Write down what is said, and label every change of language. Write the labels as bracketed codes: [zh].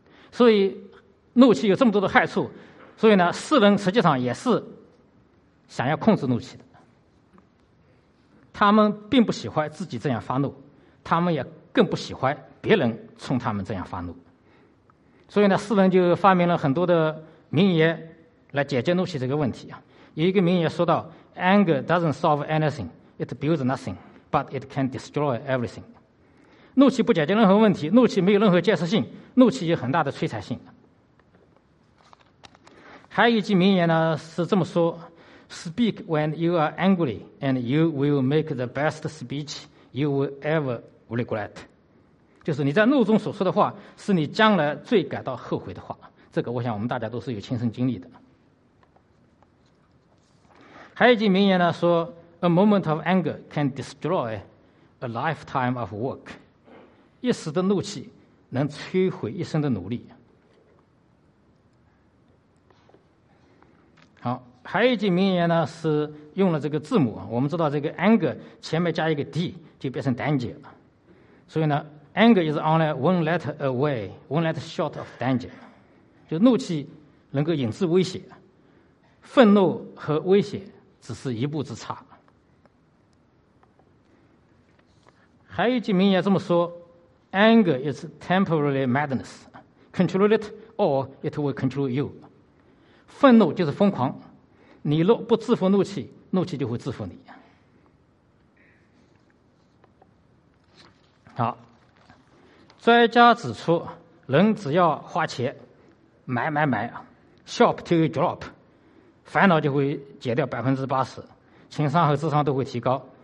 [zh] 所以怒气有这么多的害处，所以呢，世人实际上也是想要控制怒气的，他们并不喜欢自己这样发怒，他们也更不喜欢别人冲他们这样发怒。所以呢，世人就发明了很多的名言来解决怒气这个问题。有一个名言说到 [en] Anger doesn't solve anything, it builds nothing, but it can destroy everything. [zh] 怒气不解决任何问题，怒气没有任何建设性，怒气有很大的摧残性。还有一句名言呢，是这么说， [en] Speak when you are angry and you will make the best speech you will ever regret. [zh] 就是你在怒中所说的话，是你将来最感到后悔的话。这个我想我们大家都是有亲身经历的。还有一句名言呢，说 [en] A moment of anger can destroy a lifetime of work. [zh] 一时的怒气能摧毁一生的努力。好，还有一句名言呢，是用了这个字母，我们知道这个 anger 前面加一个 d 就变成 danger， 所以呢 [en] anger is only one letter away, one letter short of danger， [zh] 就怒气能够引致危险，愤怒和危险只是一步之差。 [en] 还有一句名言这么说， Anger is temporary madness. Control it or it will control you. [zh] 愤怒就是疯狂，你若不制服怒气，怒气就会制服你。好，专家指出，人只要花钱买买买， [en] shop to drop， [zh] 烦恼就会减掉80%，情商和智商都会提高。